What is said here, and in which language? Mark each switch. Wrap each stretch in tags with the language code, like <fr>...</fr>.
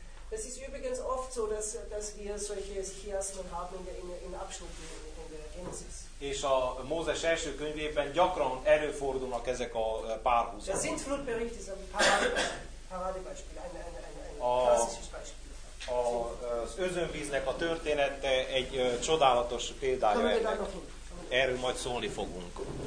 <de>Das ist übrigens oft so, dass wir solche Chiasmen haben in Abschnitten in der Genesis.</de> <hu>És a Mózes első könyvében gyakran előfordulnak ezek a párhuzamok.</hu> <de>Das sind Flutberichte, ein Paradebeispiel, ein klassisches Beispiel.</de> <hu>Az özönvíznek a története egy csodálatos példája ennek. Erről majd szólni fogunk.</hu>